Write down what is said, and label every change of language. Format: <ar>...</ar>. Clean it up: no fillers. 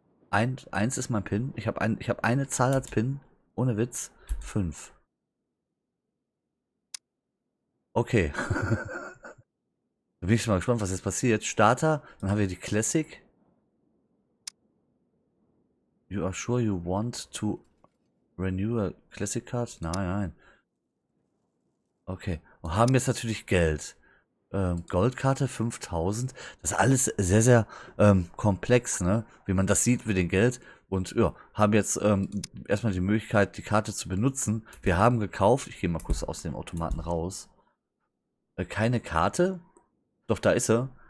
<de>1 ist mein PIN. Ich hab eine Zahl als PIN. Ohne Witz. 5. Okay. Da bin ich schon mal gespannt, was jetzt passiert. Starter, dann haben wir die Classic.</de> <en>You are sure you want to renew a Classic Card?</en> <de>Nein, nein. Okay. Und haben jetzt natürlich Geld. Goldkarte 5000. Das ist alles sehr, sehr komplex, ne? Wie man das sieht mit dem Geld. Und ja, haben jetzt erstmal die Möglichkeit, die Karte zu benutzen. Wir haben gekauft. Ich gehe mal kurz aus dem Automaten raus. Keine Karte. Doch, da ist er.</de>